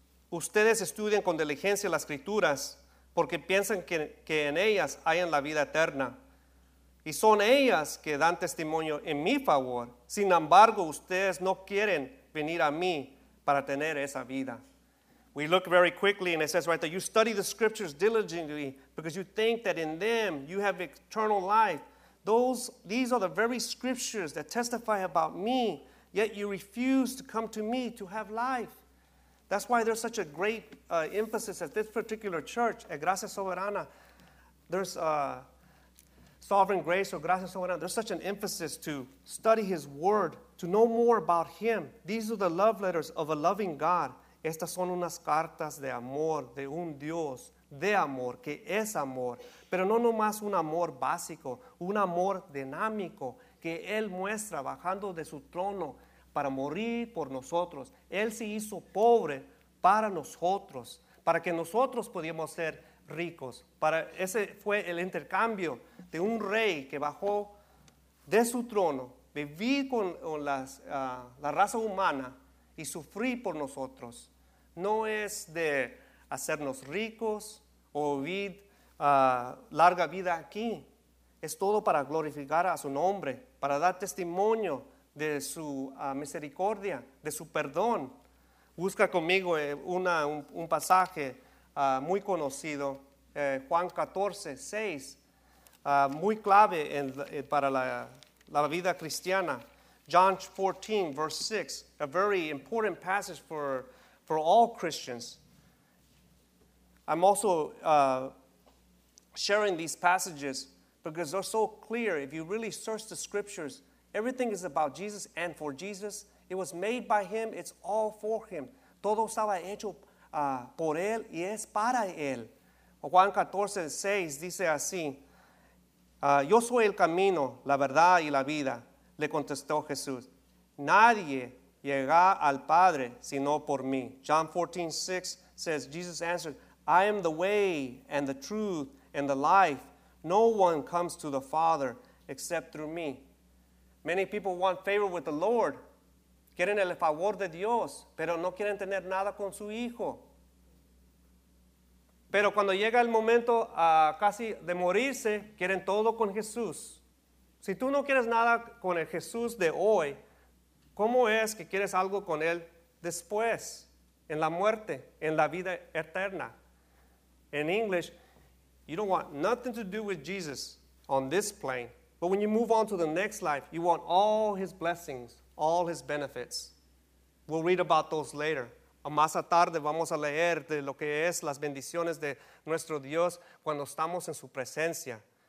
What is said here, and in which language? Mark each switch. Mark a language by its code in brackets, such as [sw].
[es] Ustedes estudian con diligencia las Escrituras, porque piensan que en ellas hayan la vida eterna. Y son ellas que dan testimonio en mi favor. Sin embargo, ustedes no quieren venir a mí para tener esa vida. [en] We look very quickly and it says right there, you study the scriptures diligently because you think that in them you have eternal life. These are the very scriptures that testify about me, yet you refuse to come to me to have life. That's why there's such a great emphasis at this particular church, at Gracia Soberana. There's Sovereign Grace or Gracia Soberana. There's such an emphasis to study His Word, to know more about Him. These are the love letters of a loving God. [es] Estas son unas cartas de amor de un Dios de amor, que es amor. Pero no nomás un amor básico, un amor dinámico que Él muestra bajando de su trono para morir por nosotros. Él se hizo pobre para nosotros, para que nosotros podíamos ser ricos. Ese fue el intercambio de un rey que bajó de su trono, viví con la raza humana y sufrí por nosotros. No es de hacernos ricos o vivir larga vida aquí. Es todo para glorificar a su nombre, para dar testimonio de su misericordia, de su perdón. Busca conmigo un pasaje muy conocido, Juan 14, 6, muy clave para la vida cristiana. [en] John 14, verse 6, a very important passage for all Christians. I'm also sharing these passages because they're so clear. If you really search the scriptures, everything is about Jesus and for Jesus. It was made by Him. It's all for Him. [es] Todo estaba hecho por Él y es para Él. Juan 14, 6 dice así. Yo soy el camino, la verdad y la vida, le contestó Jesús. Nadie llega al Padre sino por mí. [en] John 14, 6 says, Jesus answered, I am the way and the truth and the life. No one comes to the Father except through me. Many people want favor with the Lord. [es] Quieren el favor de Dios, pero no quieren tener nada con su hijo. Pero cuando llega el momento casi de morirse, quieren todo con Jesús. Si tú no quieres nada con el Jesús de hoy, ¿cómo es que quieres algo con Él después, en la muerte, en la vida eterna? [en] In English, you don't want nothing to do with Jesus on this plane. But when you move on to the next life, you want all His blessings, all His benefits. We'll read about those later. [es] Más tarde vamos a leer de lo que es las bendiciones de nuestro Dios cuando estamos en su presencia.